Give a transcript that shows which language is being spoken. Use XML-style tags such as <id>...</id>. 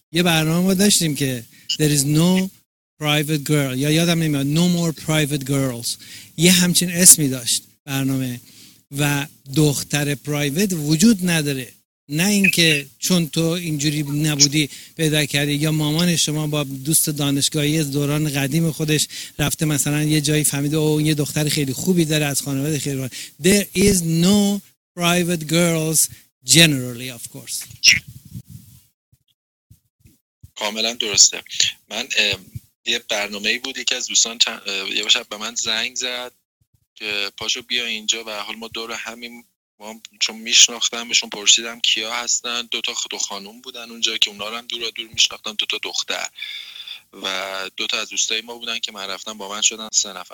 <fa>یه برنامه ما داشتیم که</fa> <en>There is no private girl</en> <fa>یا یادم نمیاد</fa> <en>No more private girls</en> <fa>یه همچین اسمی داشت برنامه و دختر پرایوت وجود نداره. نه اینکه چون تو اینجوری نبودی پیدا کردی یا مامان شما با دوست دانشگاهی از دوران قدیم خودش رفته مثلا یه جایی فهمیده او یه دختر خیلی خوبی داره از خانواده خیلی خوبی.</fa> <en>There is no private girls generally of course.</en> <fa>کاملا درسته. من یه برنامه‌ای بود، یکی از دوستان یه شب به من زنگ زد که پاشو بیا اینجا و حال ما دور همین من چون میشناختمشون پرسیدم کیا هستن. دوتا دو خانوم بودن اونجا که اونا رو هم دور دور میشناختم، دوتا دختر و دوتا از دوستای ما بودن که من رفتم با من شدن سه نفر.</fa>